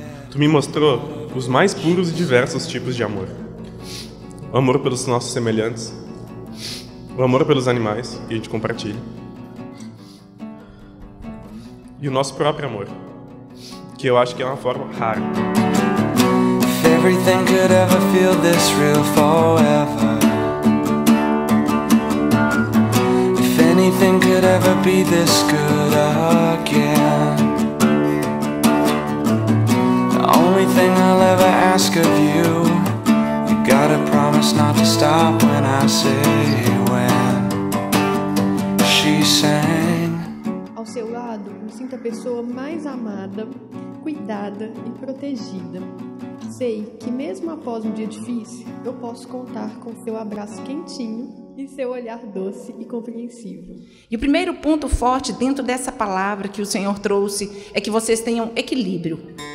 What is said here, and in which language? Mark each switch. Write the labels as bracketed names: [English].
[Portuguese] Tu me mostrou os mais puros e diversos tipos de amor. O amor pelos nossos semelhantes. O amor pelos animais, que a gente compartilha. E o nosso próprio amor. Que eu acho que é uma forma rara. [English] Everything could ever feel this real forever. If anything could ever be this good again. The only thing I'll ever ask of you, you gotta promise not to stop when I say when. She sang. [Portuguese] Ao seu lado, me sinto a pessoa mais amada, cuidada e protegida. Sei que mesmo após um dia difícil, eu posso contar com seu abraço quentinho e seu olhar doce e compreensível. E o primeiro ponto forte dentro dessa palavra que o Senhor trouxe é que vocês tenham equilíbrio.